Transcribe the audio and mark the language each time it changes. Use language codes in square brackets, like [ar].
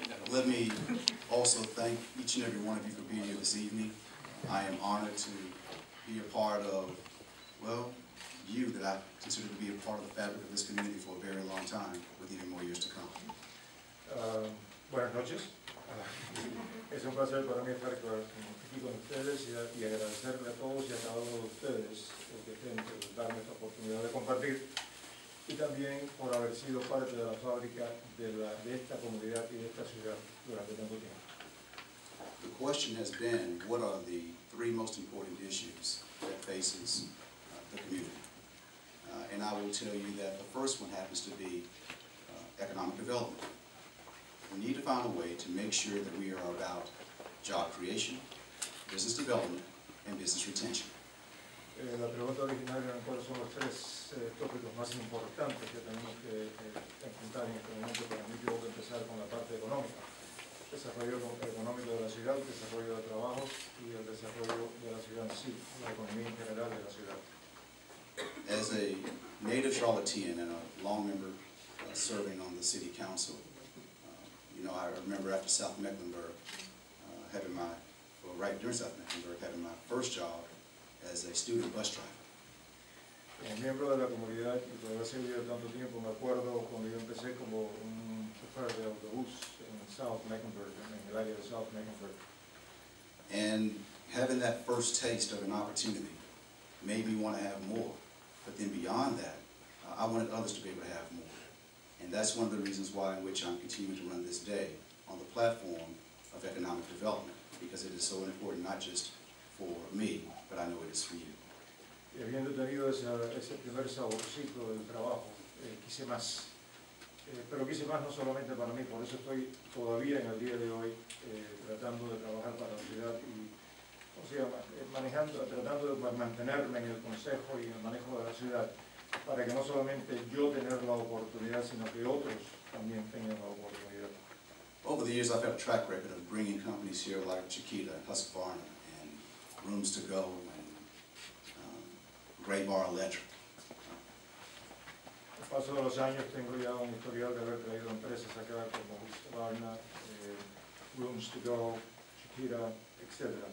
[en] Let me also thank each and every one of you for being here this evening. I am honored to be a part of, well, you that I consider to be a part of the fabric of this community for a very long time, with even more years to come. [es] Buenas noches. Es un placer para mí estar aquí con ustedes y agradecerle a todos y a cada uno de ustedes por darme esta oportunidad de compartir y también por haber sido parte de la fábrica de esta comunidad y de esta ciudad durante tanto tiempo. [en] The question has been, what are the three most important issues that faces the community? And I will tell you that the first one happens to be economic development. We need to find a way to make sure that we are about job creation, business development, and business retention. [es] La pregunta original era cuáles son los tres tópicos más importantes que tenemos que enfrentar en este momento. Para mí, tengo que empezar con la parte económica. Desarrollo económico de la ciudad, desarrollo de trabajo y el desarrollo de la ciudad en sí, la economía en general de la ciudad. [en] As a native Charlottean and a long member serving on the city council, you know, I remember after South Mecklenburg having my first job as a student bus driver. [es] Como miembro de la comunidad y por haber servido tanto tiempo, me acuerdo cuando yo empecé como un chofer de autobús en South Mecklenburg, en el área de South Mecklenburg. [en] And having that first taste of an opportunity made me want to have more. But then beyond that, I wanted others to be able to have more. And that's one of the reasons why in which I'm continuing to run this day on the platform of economic development, because it is so important not just for me, but I know it is for you. [es] Y habiendo tenido ese primer saborcito del trabajo, quise más. Pero quise más no solamente para mí, por eso estoy todavía en el día de hoy tratando de trabajar para la ciudad y, o sea, manejando, tratando de mantenerme en el consejo y el manejo de la ciudad. Para que no solamente yo tener la oportunidad, sino que otros también tengan la oportunidad. [en] Over the years, I've had a track record of bringing companies here like Chiquita and Husqvarna and Rooms to Go and Gray Bar Electric. [es] Al paso de los años, tengo ya un historial de haber traído empresas acá como Husqvarna, Rooms to Go, Chiquita, etc.